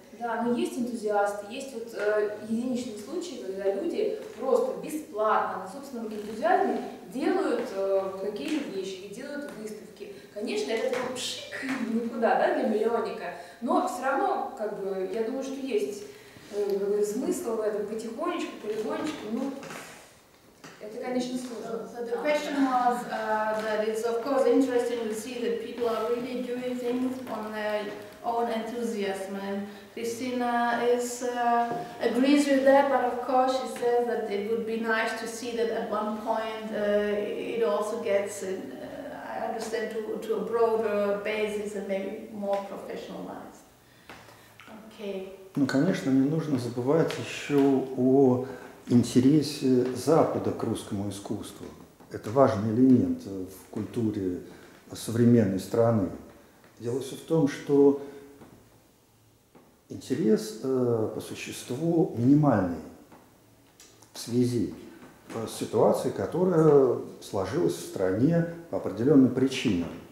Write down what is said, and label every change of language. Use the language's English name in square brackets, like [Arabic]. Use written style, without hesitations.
[Russian] Да, но есть энтузиасты, есть вот единичные случаи, когда люди просто бесплатно, на собственном энтузиазме делают какие-то вещи, делают выставки. Конечно, это пшик никуда, да, для миллионника, но все равно, как бы, я думаю, что есть смысл в этом потихонечку, полигонечку, ну, это, конечно, сложно. [English] So the question was that it's, of course, interesting to see that people are really doing things on their own enthusiasm. And Christina is, agrees with that, but of course she says that it would be nice to see that at one point it also gets, I understand, to a broader basis and maybe more professionalized. Okay. [Russian] Ну, конечно, не нужно забывать еще о интересе Запада к русскому искусству. Это важный элемент в культуре современной страны. Дело все в том, что интерес по существу минимальный в связи с ситуацией, которая сложилась в стране по определенным причинам.